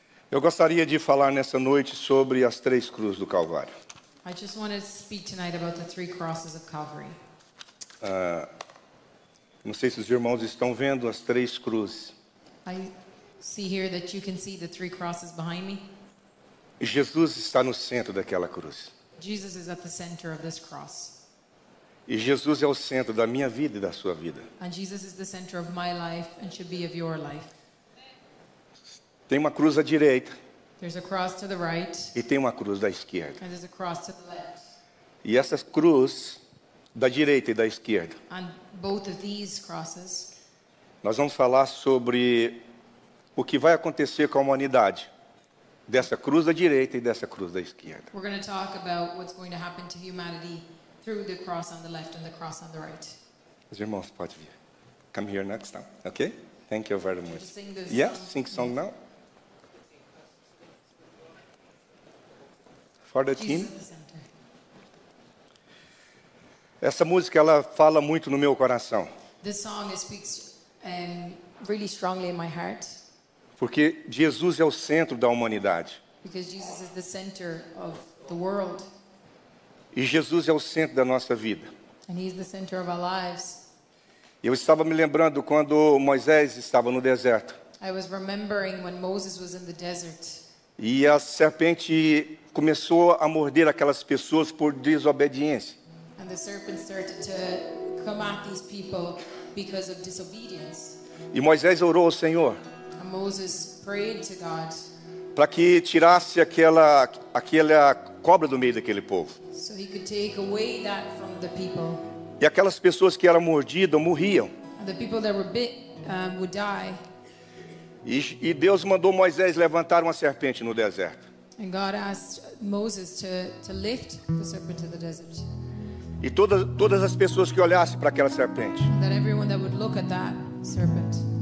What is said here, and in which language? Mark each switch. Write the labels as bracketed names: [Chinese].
[Portuguese] Eu gostaria de falar nessa noite sobre as três cruzes do Calvário. [English] I just want to speak tonight about the three crosses of Calvary. [Portuguese] Não sei se os irmãos estão vendo as três cruzes. [English] I see here that you can see the three crosses behind me. [Portuguese] Jesus está no centro daquela cruz. [English] Jesus is at the center of this cross. [Portuguese] E Jesus é o centro da minha vida e da sua vida. [English] And Jesus is the center of my life and should be of your life. [Portuguese] Tem uma cruz à direita. [English] There's a cross to the right. [Portuguese] E tem uma cruz da esquerda. [English] And there's a cross to the left. [Portuguese] E essa cruz da direita e da esquerda. [English] And both of these crosses. [Portuguese] Nós vamos falar sobre o que vai acontecer com a humanidade dessa cruz da direita e dessa cruz da esquerda. [English] We're going to talk about what's going to happen to humanity through the cross on the left and the cross on the right. [Portuguese] Os irmãos, pode vir. [English] Come here next time, okay? Thank you very much. Sing this song. Yeah, sing song now. For the Jesus team. The [Portuguese] essa música, ela fala muito no meu coração. [English] This song speaks really strongly in my heart. [Portuguese] Porque Jesus é o centro da humanidade. [English] Because Jesus is the center of the world. [Portuguese] E Jesus é o centro da nossa vida. [English] And he is the center of our lives. [Portuguese] Eu estava me lembrando quando Moisés estava no deserto. [English] I was remembering when Moses was in the desert. [Portuguese] E a serpente começou a morder aquelas pessoas por desobediência. [English] And the serpent started to come at these people because of disobedience. [Portuguese] E Moisés orou ao Senhor. [English] And Moses prayed to God. [Portuguese] Para que tirasse aquela cobra do meio daquele povo. [English] So he could take away that from the people. [Portuguese] E aquelas pessoas que eram mordidas morriam. [English] And the people that were bit, would die. [Portuguese] E Deus mandou Moisés levantar uma serpente no deserto. [English] And God asked Moses to lift the serpent to the desert. [Portuguese] E todas as pessoas que olhassem para aquela serpente. [English] And that everyone that would look at that serpent.